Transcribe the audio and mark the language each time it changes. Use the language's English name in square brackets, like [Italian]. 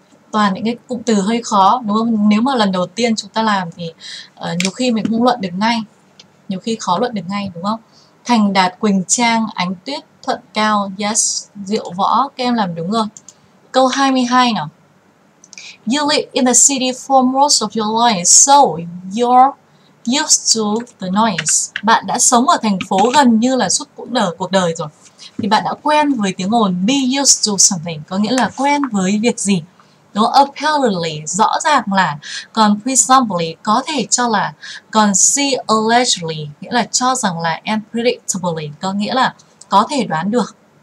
[Vietnamese] Toàn những cái cụm từ hơi khó đúng không? Nếu mà lần đầu tiên chúng ta làm thì nhiều khi mình cũng luận được ngay, nhiều khi khó luận được ngay đúng không? Thành Đạt, Quỳnh Trang, Ánh Tuyết, Thuận Cao, Yes, Diệu Võ, các em làm đúng rồi. Câu 22 nào. [English] You live in the city for most of your life, so you're used to the noise. [Vietnamese] Bạn đã sống ở thành phố gần như là suốt cuộc đời rồi. Thì bạn đã quen với tiếng ồn. [English] Be used to something [Vietnamese] có nghĩa là quen với việc gì. Đúng không? Apparently, rõ ràng là. Còn presumably, có thể cho là. Còn see allegedly, nghĩa là cho rằng là. [English] And predictably, [Vietnamese] có nghĩa là có thể đoán được.